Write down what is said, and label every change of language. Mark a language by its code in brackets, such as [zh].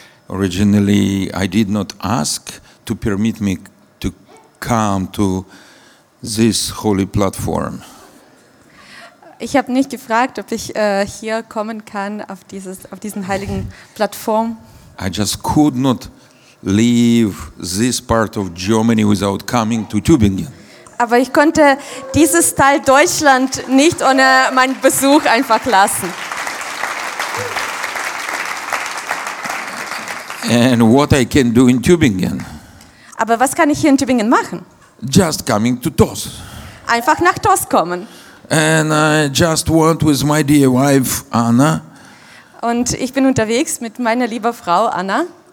[en] Originally, I did not ask to permit me to come to this holy platform. [de] Ich habe nicht gefragt, ob ich hier kommen kann auf dieses auf diesen heiligen Plattform. [en] I just could not leave this part of Germany without coming to Tübingen. [de] Aber ich konnte dieses Teil Deutschland nicht ohne meinen Besuch einfach lassen. [en] And what I can do in Tübingen? [de] Aber was kann ich hier in Tübingen machen? [en] Just coming to TOS. [de] Einfach nach TOS kommen. [en] And I just went with my dear wife Anna. [de] Und ich bin unterwegs mit meiner lieben Frau Anna.